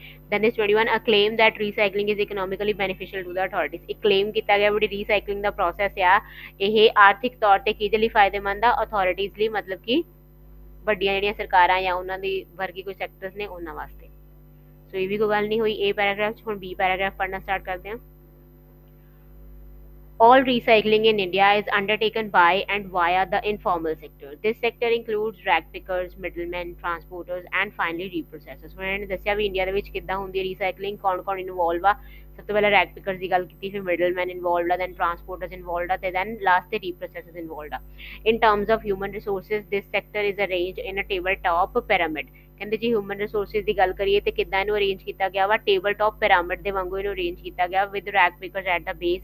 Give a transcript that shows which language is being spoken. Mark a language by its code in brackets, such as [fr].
[en] then is 21 a claim that recycling is economically beneficial to the authorities, [pa] ਇੱਕ claim ਕੀਤਾ ਗਿਆ ਵੀ ਰੀਸਾਈਕਲਿੰਗ ਦਾ ਪ੍ਰੋਸੈਸ ਆ ਇਹ ਆਰਥਿਕ ਤੌਰ 'ਤੇ ਕਿਹਦੇ ਲਈ ਫਾਇਦੇਮੰਦ ਆ? ਅਥੋਰਿਟੀਜ਼ ਲਈ, ਮਤਲਬ ਕਿ ਵੱਡੀਆਂ ਜਿਹੜੀਆਂ ਸਰਕਾਰਾਂ ਜਾਂ ਉਹਨਾਂ ਦੀ ਵਰਗੀ ਕੋਈ ਸੈਕਟਰਸ ਨੇ ਉਹਨਾਂ ਵਾਸਤੇ। ਸੋ ਇਹ ਵੀ ਕੋਈ ਗੱਲ ਨਹੀਂ ਹੋਈ ਇਹ ਪੈਰਾਗ੍ਰਾਫ 'ਚ। ਹੁਣ ਬੀ ਪੈਰਾਗ੍ਰਾਫ ਪੜ੍ਹਨਾ ਸਟਾਰਟ ਕਰਦੇ ਹਾਂ। [en] All recycling in India is undertaken by and via the informal sector. This sector includes rag pickers, middlemen, transporters and finally reprocessors. [pa] ਹੁਣ ਇਹਨੇ ਦੱਸਿਆ ਵੀ ਇੰਡੀਆ ਦੇ ਵਿੱਚ ਕਿੱਦਾਂ ਹੁੰਦੀ ਹੈ ਰੀਸਾਈਕਲਿੰਗ, ਕੌਣ ਕੌਣ ਇਨਵੋਲਵ ਆ। ਸਭ ਤੋਂ ਪਹਿਲਾਂ ਰੈਗ ਪਿਕਰਸ ਦੀ ਗੱਲ ਕੀਤੀ, ਫਿਰ ਮਿਡਲ ਮੈਨ ਇਨਵੋਲਵ ਆ, ਦੈਨ ਟਰਾਂਸਪੋਰਟਰਸ ਇਨਵੋਲਵ ਆ, ਅਤੇ ਦੈਨ ਲਾਸਟ 'ਤੇ ਰੀਪ੍ਰੋਸੈਸਰਸ ਇਨਵੋਲਵ ਆ। [en] In terms of human resources, this sector is arrange in a table top pyramid. [pa] ਕਹਿੰਦੇ ਜੀ ਹਿਊਮਨ ਰਿਸੋਰਸਿਸ ਦੀ ਗੱਲ ਕਰੀਏ ਤਾਂ ਕਿੱਦਾਂ ਇਹਨੂੰ ਅਰੇਂਜ ਕੀਤਾ ਗਿਆ ਵਾ? ਟੇਬਲ ਟੋਪ ਪਿਰਾਮਿਡ ਦੇ ਵਾਂਗੂ ਇਹਨੂੰ ਅਰੇਂਜ ਕੀਤਾ ਗਿਆ [en] With rag pickers at the base.